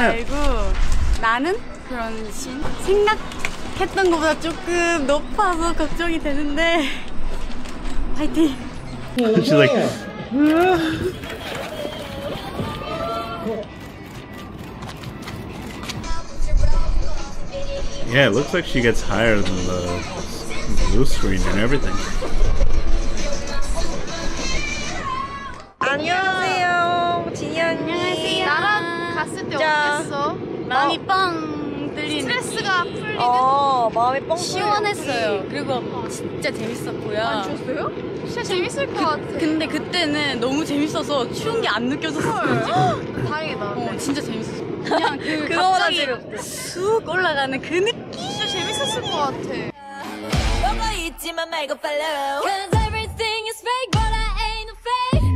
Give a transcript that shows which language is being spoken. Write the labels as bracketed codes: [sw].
[ko] Oh, 했던 것보다 조금 높아서 걱정이 되는데 파이팅! [en] She's like Yeah, it looks like she gets higher than the blue screen and everything. [ko] 안녕하세요 진이 언니. 안녕하세요. 나랑 갔을 때 어땠어? 마음이 뻥 스트레스가 풀리는 아, 마음이 뻥 시원했어요. 그리고 진짜 재밌었고요. 안 추웠어요? 진짜 재밌을 것 같아. 근데 그때는 너무 재밌어서 추운 게 안 느껴졌어요. 다행이다. 어, 진짜 재밌었어. 그냥 그 갑자기 쑥 올라가는 그 느낌. 진짜 재밌었을 것 같아. [en] everything is fake, but I ain't a fake.